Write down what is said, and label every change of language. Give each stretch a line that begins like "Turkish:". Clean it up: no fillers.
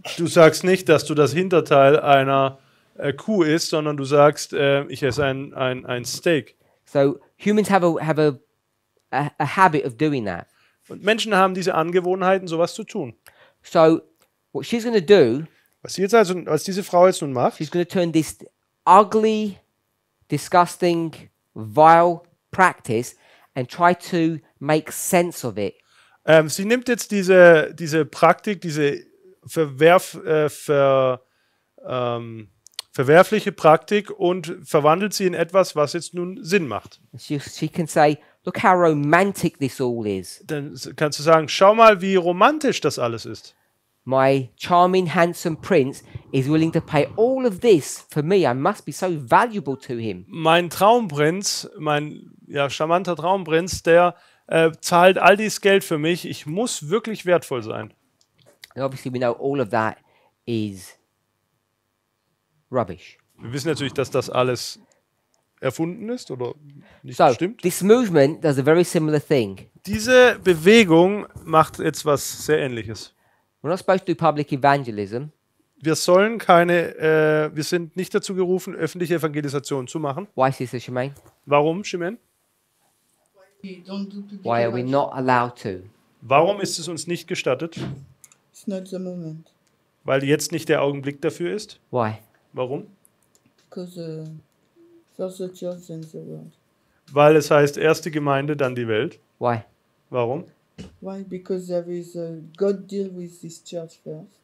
German: Du sagst nicht, dass du das Hinterteil einer Kuh isst, sondern du sagst, ich esse ein Steak.
English: So humans have a habit of doing that.
German: Und Menschen haben diese Angewohnheiten, sowas zu tun.
English: So what she's going to do,
German: was sie jetzt also, was diese Frau jetzt nun macht,
English: she's going to turn this ugly, disgusting, vile practice and try to make sense of it.
German: Sie nimmt jetzt diese Praktik, diese verwerfliche Praktik und verwandelt sie in etwas, was jetzt nun Sinn macht.
English: She can say, look how romantic this all is.
German: Dann kannst du sagen, schau mal, wie romantisch das alles ist.
English: My charming, handsome prince is willing to pay all of this for me. I must be so valuable to him.
German: Mein Traumprinz, mein ja charmanter Traumprinz, der zahlt all dies Geld für mich. Ich muss wirklich wertvoll sein.
English: And obviously, we know all of that is rubbish.
German: Wir wissen natürlich, dass das alles erfunden ist oder nicht so, stimmt.
English: This movement does a very similar thing.
German: Diese Bewegung macht jetzt was sehr Ähnliches.
English: We're not supposed to do public evangelism.
German: Wir sollen keine, wir sind nicht dazu gerufen, öffentliche Evangelisation zu machen.
English: Why is this, Shemaine?
German: Warum, Shemaine?
English: Why are we not allowed to?
German: Warum ist es uns nicht gestattet?
English: It's not the moment.
German: Weil jetzt nicht der Augenblick dafür ist?
English: Why?
German: Warum?
English: Because there's a church in the world.
German: Weil es heißt, erst die Gemeinde, dann die Welt.
English: Why?
German: Warum?
English: Why? Because there is a God deal with this church first.